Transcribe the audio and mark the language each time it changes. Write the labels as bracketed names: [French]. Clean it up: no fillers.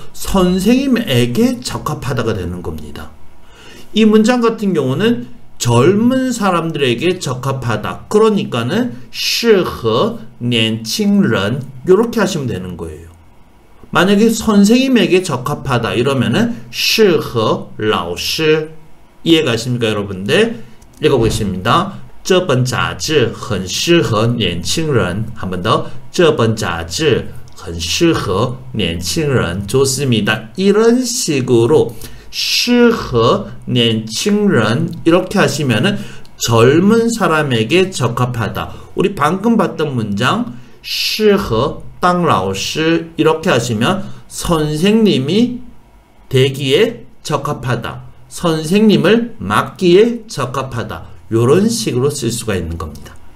[Korean] 선생님에게 적합하다가 되는 겁니다. 이 문장 같은 경우는 젊은 사람들에게 적합하다. 그러니까는 시허 年轻人 이렇게 하시면 되는 거예요. 만약에 선생님에게 적합하다 이러면은 시허 老师. 이해가십니까 여러분들? 읽어보겠습니다. [Chinese] 这本杂志很适合年轻人. [Korean] 한 번 더. [Chinese] 这本杂志很适合年轻人. [Korean] 좋습니다. 이런 식으로 [Chinese] 适合年轻人 [Korean] 이렇게 하시면은 젊은 사람에게 적합하다. 우리 방금 봤던 문장 [Chinese] 适合当老师 [Korean] 이렇게 하시면 선생님이 되기에 적합하다, 선생님을 맡기에 적합하다, 이런 식으로 쓸 수가 있는 겁니다.